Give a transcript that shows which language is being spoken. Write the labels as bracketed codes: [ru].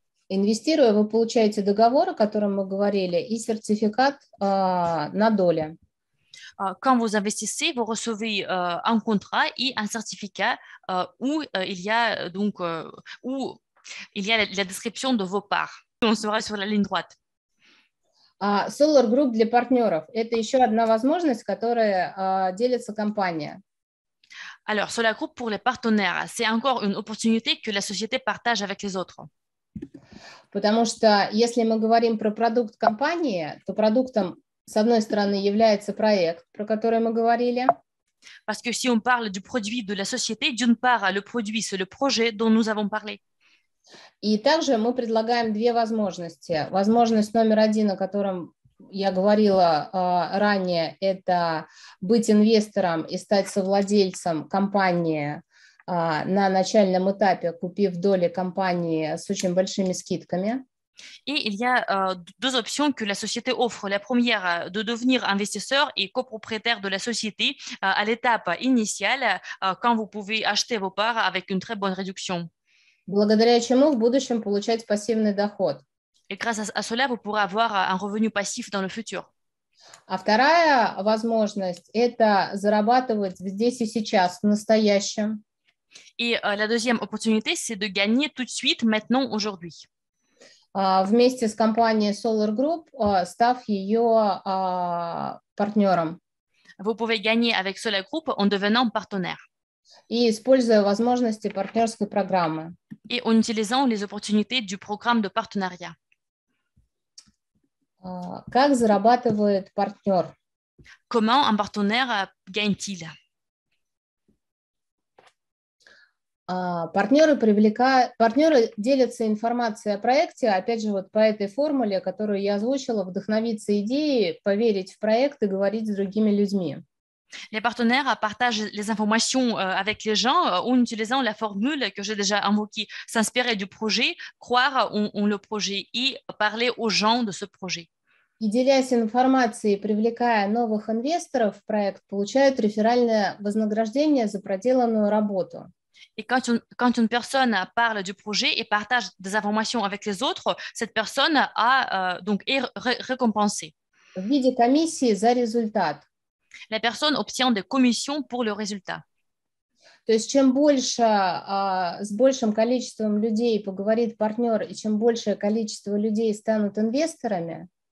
[ru] Инвестируя, вы получаете договор, о котором мы говорили, и сертификат на долю. [fr] Quand vous investissez, vous recevez un contrat et un certificat où il y a la description de vos parts. On sera sur la ligne droite. [ru] Solar Group для партнеров. Это еще одна возможность, которой делится компания. [fr] Alors, Solar Group pour les partenaires. C'est encore une opportunité que la société partage avec les autres. [ru] Потому что если мы говорим про продукт компании, то продуктом с одной стороны, является проект, про который мы говорили. [fr] Parce que si on parle du produit de la société, d'une part, le produit, c'est le projet dont nous avons parlé. [ru] И также мы предлагаем две возможности. Возможность номер один, о котором я говорила ранее, это быть инвестором и стать совладельцем компании на начальном этапе, купив доли компании с очень большими скидками. [fr] Et il y a deux options que la société offre. La première, de devenir investisseur et copropriétaire de la société à l'étape initiale, quand vous pouvez acheter vos parts avec une très bonne réduction. [ru] Благодаря чему в будущем получать пассивный доход. [fr] Et grâce à cela, vous pourrez avoir un revenu passif dans le futur. [ru] А вторая возможность – это зарабатывать здесь и сейчас, в настоящем. [fr] Et la deuxième opportunité, c'est de gagner tout de suite, maintenant, aujourd'hui. [ru] Вместе с компанией Solar Group, став ее партнером. [fr] Вы pouvez gagner avec Solar Group en devenant partenaire. [ru] И используя возможности партнерской программы. [fr] Et en utilisant les opportunités du programme de partenariat. [ru] Как зарабатывает партнер? [fr] Comment un partenaire gagne-t-il? [ru] Партнеры делятся информацией о проекте, опять же, вот по этой формуле, которую я озвучила, вдохновиться идеей, поверить в проект и говорить с другими людьми. [fr] Les partenaires partagent les informations avec les gens en utilisant la formule que j'ai déjà invoquée, s'inspirer du projet, croire en le projet и parler aux gens de ce projet. [ru] И делясь информацией, привлекая новых инвесторов в проект, получают реферальное вознаграждение за проделанную работу. [fr] Et quand une personne parle du projet et partage des informations avec les autres, cette personne est récompensée. [ru] В виде комиссии за результат. [fr] La personne obtient des commissions pour le résultat. [ru] То есть чем больше с большим количеством людей поговорит партнер и чем большее количество людей станут инвесторами.